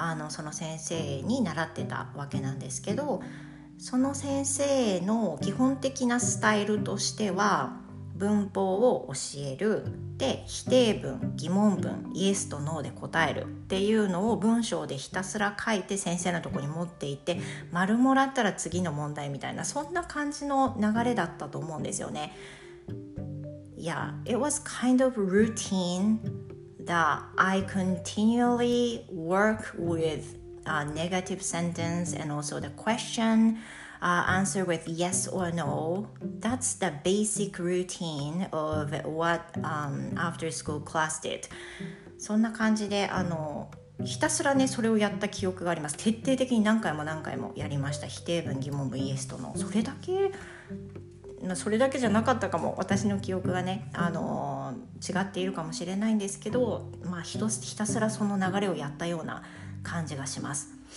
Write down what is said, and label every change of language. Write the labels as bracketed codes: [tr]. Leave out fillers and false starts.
[ja] その先生に習ってたわけなんですけど、その先生の基本的なスタイルとしては、文法を教える、で否定文、疑問文、イエスとノーで答えるっていうのを文章でひたすら書いて先生のところに持っていって、丸もらったら次の問題みたいな、そんな感じの流れだったと思うんですよね。 [en] Yeah, it was kind of routine that I continually work with a negative sentence and also the questionanswer with yes or no. That's the basic routine of what after school class did. [ja] そんな感じでひたすらねそれをやった記憶があります。徹底的に何回も何回もやりました。否定文、疑問文、イエスとの、それだけ、まあ、それだけじゃなかったかも、私の記憶がね違っているかもしれないんですけど、まあ、ひたすらその流れをやったような感じがします。